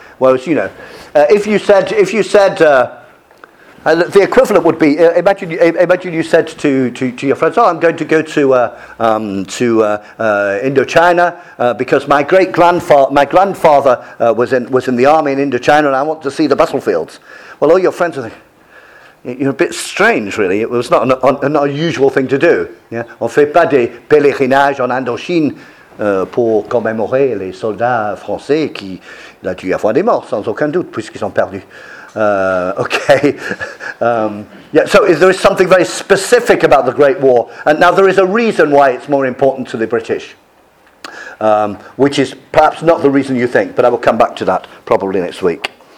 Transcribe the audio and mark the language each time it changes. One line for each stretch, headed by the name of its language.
English: Whereas, you know, if you said, the equivalent would be, imagine you said to your friends, "Oh, I'm going to go to Indochina because my grandfather was in the army in Indochina, and I want to see the battlefields." Well, all your friends are thinking, "You're a bit strange, really. It was not an unusual thing to do."
French: Yeah, on fait pas des pèlerinages en Indochine pour commémorer les soldats français qui la dû avoir des morts sans aucun doute puisqu'ils ont perdu.
English: So there is something very specific about the Great War, and now there is a reason why it's more important to the British, which is perhaps not the reason you think, but I will come back to that probably next week.